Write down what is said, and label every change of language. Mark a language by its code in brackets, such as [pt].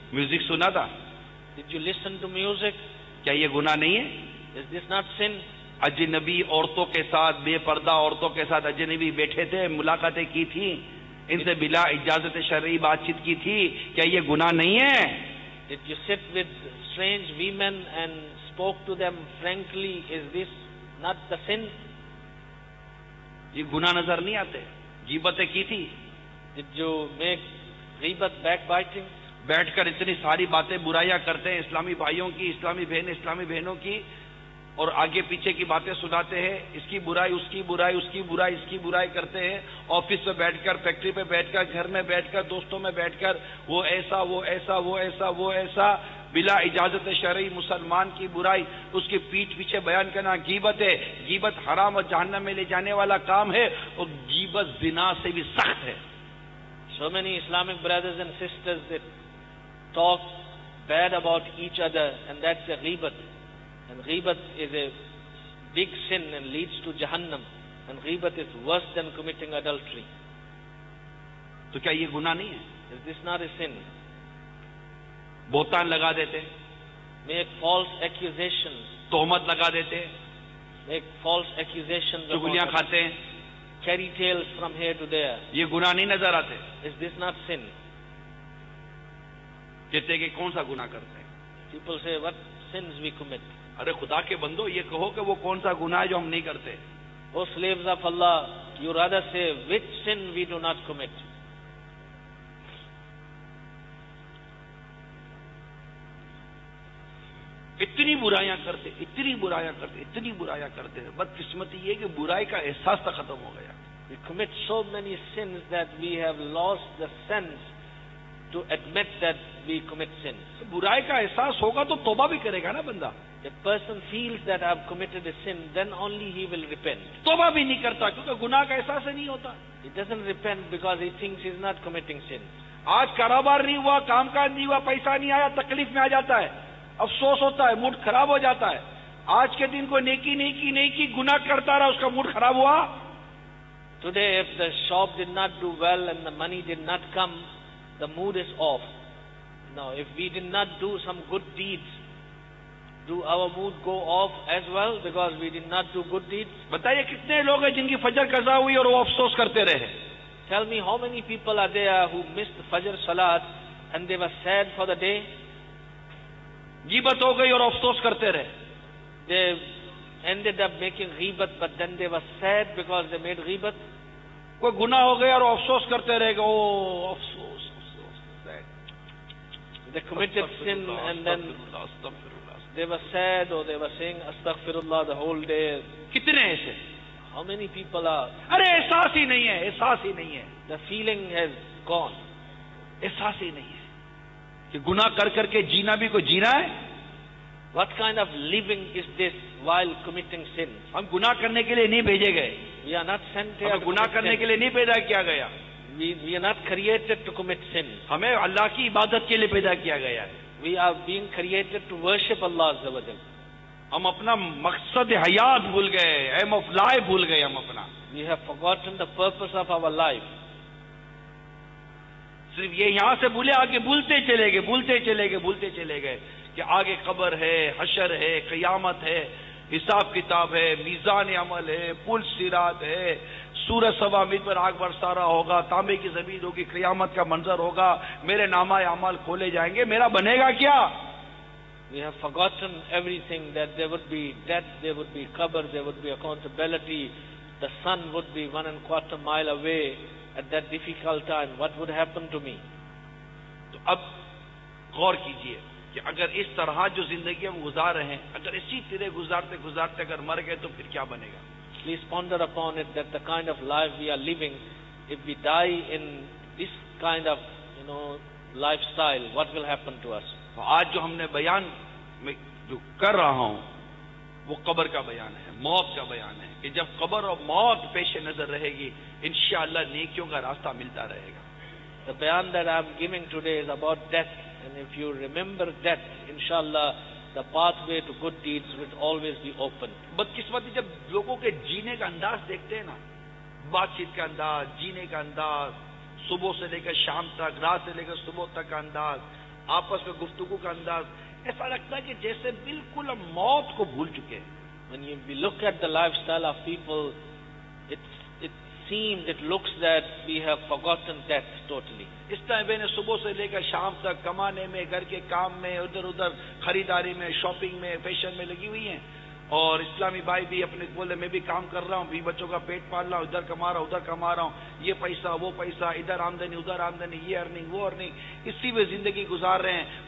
[ur] Music سنا تھا. [en] Did you listen to music? [ur] کیا یہ گناہ نہیں ہے؟ [en] Is this not sin? [ur] اجنبی عورتوں کے ساتھ، بے پردہ عورتوں کے ساتھ اجنبی بیٹھے تھے، ملاقاتیں کی تھی، ان سے بلا اجازت شرعی بات چیت کی تھی، کیا یہ گناہ نہیں ہے؟ [en] Did you sit with strange women and spoke to them frankly? Is this not the sin? [ur] یہ گناہ نظر نہیں آتے؟ غیبتیں کی تھی؟ [en] Did you make غیبت backbiting? [ur] بیٹھ کر اتنی ساری باتیں، برائیاں کرتے ہیں اسلامی بھائیوں کی، اسلامی بہن اسلامی بہنوں کی، اور آگے پیچھے کی باتیں سناتے ہیں، اس کی برائی اس کی برائی اس کی برائی اس کی برائی کرتے ہیں، آفس میں بیٹھ کر، فیکٹری پہ بیٹھ کر، گھر میں بیٹھ کر، دوستوں میں بیٹھ کر، وہ ایسا وہ ایسا وہ ایسا وہ ایسا، بلا اجازت شرعی مسلمان کی برائی اس کی پیٹھ پیچھے بیان کرنا غیبت ہے. غیبت حرام اور جہنم میں لے جانے والا کام ہے، اور غیبت زنا سے بھی سخت ہے. [en] So many Islamic brothers and sisters they talk bad about each other and that's a غیبت. And ghibat is a big sin and leads to jahannam. And ghibat is worse than committing adultery. [ur] تو کیا یہ گناہ نہیں ہے؟ [en] Is this not a sin? [ur] بہتان لگا دیتے، [en] make false accusations. [ur] تہمت لگا دیتے، [en] make false accusations. [ur] چگلیاں کھاتے ہیں، [en] carry tales from here to there. [ur] یہ گناہ نہیں نظر آتے؟ [en] Is this not sin? [ur] کہتے کہ کون سا گناہ کرتے ہیں؟ [en] People say what sins we commit. [ur] ارے خدا کے بندو، یہ کہو کہ وہ کون سا گناہ ہے جو ہم نہیں کرتے. [en] O slaves of Allah, you rather say which sin we do not commit. [ur] اتنی برائیاں کرتے، اتنی برائیاں کرتے، اتنی برائیاں کرتے ہیں، بدقسمتی یہ کہ برائی کا احساس تو ختم ہو گیا. [en] We commit so many sins that we have lost the sense to admit that we commit sin. [ur] برائی کا احساس ہوگا تو توبہ بھی کرے گا نا بندہ. [en] The person feels that I have committed a sin, then only he will repent. [ur] توبہ بھی نہیں کرتا کیونکہ گناہ کا احساس نہیں ہوتا. [en] He doesn't repent because he thinks he is not committing sin. [ur] آج کاروبار نہیں ہوا، کام کاج نہیں ہوا، پیسہ نہیں آیا، تکلیف میں آ جاتا ہے، افسوس ہوتا ہے، موڈ خراب ہو جاتا ہے. آج کے دن کو نیکی نیکی نیکی گناہ کرتا رہا، اس کا موڈ خراب ہوا. [en] Today if the shop did not do well and the money did not come, the mood is off. Now if we did not do some good deeds, do our mood go off as well because we did not do good deeds? [ur] بتائیے کتنے لوگ ہیں جن کی فجر قضا ہوئی اور وہ افسوس کرتے رہے. [en] Tell me how many people are there who missed Fajr Salat and they were sad for the day? [ur] غیبت ہو گئی اور افسوس کرتے رہے. [en] They ended up making غیبت but then they were sad because they made غیبت. [ur] کوئی گناہ ہو گیا اور افسوس کرتے رہے گئے. Oh, افسوس افسوس. [en] They committed sin and then they were sad or they were saying astaghfirullah the whole day. [ur] کتنے ایسے، [en] how many people are. [ur] ارے احساس ہی نہیں ہے، احساس ہی نہیں ہے. [en] The feeling has gone. [ur] احساس ہی نہیں ہے کہ گناہ کر کر کے جینا بھی کوئی جینا ہے. [en] What kind of living is this while committing sin? [ur] ہم گناہ کرنے کے لیے نہیں بھیجے گئے. [en] We are not sent here. [ur] ہمیں گناہ کرنے کے لیے نہیں پیدا کیا گیا. [en] We are not created to commit sin. [ur] ہمیں اللہ کی عبادت کے لیے پیدا کیا گیا ہے. [en] We are being created to worship Allah عز و جل. [ur] ہم اپنا مقصد حیات بھول گئے، [en] aim of life [ur] بھول گئے ہم اپنا. [en] We have forgotten the purpose of our life. [ur] صرف یہ یہاں سے بھولے، آگے بھولتے چلے گئے، بھولتے چلے گئے، بھولتے چلے گئے کہ آگے قبر ہے، حشر ہے، قیامت ہے، حساب کتاب ہے، میزان عمل ہے، پل صراط ہے، سورج سوا مید پر آگ برسا رہا ہوگا، تانبے کی زمین ہوگی، قیامت کا منظر ہوگا، میرے نامہ اعمال کھولے جائیں گے، میرا بنے گا کیا؟ [en] We have forgotten everything that there would be death, there would be قبر, there would be accountability, the sun would be 1.25 mile away at that difficult time. What would happen to me? [ur] تو اب غور کیجئے کہ اگر اس طرح جو زندگی ہم گزار رہے ہیں، اگر اسی طرح گزارتے گزارتے اگر مر گئے تو پھر کیا بنے گا؟ [en] Please ponder upon it that the kind of life we are living, if we die in this kind of lifestyle, what will happen to us? [ur] آج جو ہم نے بیان میں جو کر رہا ہوں وہ قبر کا بیان ہے، موت کا بیان ہے، کہ جب قبر اور موت پیش نظر رہے گی انشاءاللہ نیکیوں کا راستہ ملتا رہے گا. [en] The bayan that I am giving today is about death, and if you remember death, inshallah the pathway to good deeds would always be open. [ur] بدقسمتی جب لوگوں کے جینے کا انداز دیکھتے ہیں نا، بات چیت کا انداز، جینے کا انداز، صبح سے لے کر شام تک، رات سے لے کر صبح تک کا انداز، آپس میں گفتگو کا انداز ایسا لگتا ہے کہ جیسے بالکل ہم موت کو بھول چکے ہیں. [en] When you look at the lifestyle of people, it looks that we have forgotten death totally. [ur] اس طرح میں نے صبح سے لے کر شام تک کمانے میں, گھر کے کام میں, ادھر ادھر خریداری میں, شاپنگ میں, فیشن میں لگی ہوئی ہیں, اور اسلامی بھائی بھی اپنے بولے میں بھی کام کر رہا ہوں, بھی بچوں کا پیٹ پال رہا ہوں, ادھر کما رہا ہوں, ادھر کما رہا ہوں, یہ پیسہ وہ پیسہ, ادھر آمدنی ادھر آمدنی, یہ ارننگ وہ ارننگ, اسی میں زندگی گزار رہے ہیں.